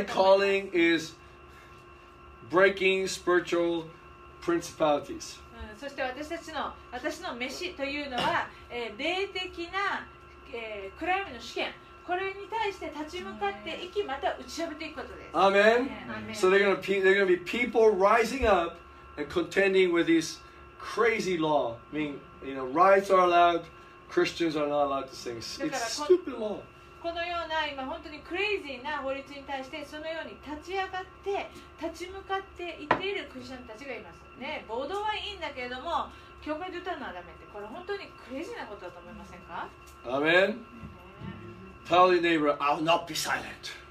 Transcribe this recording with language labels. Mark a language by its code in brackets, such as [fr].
[en] My calling is breaking spiritual principalities. [ja] そして私の飯というのは、霊的な、暗闇の試験、これに対して立ち向かっていき、また打ち破っていくことです。 [en] アーメン。 So they're going to be people rising up and contending with these crazy law. I mean, you know, riots are allowed, Christians are not allowed to sing. It's stupid law. [ja] このような今本当にクレイジーな法律に対してそのように立ち上がって立ち向かっていっているクリスチャンたちがいますね。暴動はいいんだけれども教会で歌うのはダメって、これ本当にクレイジーなことだと思いませんか。 [en] アメン。Tell your neighbor, I'll not be silent.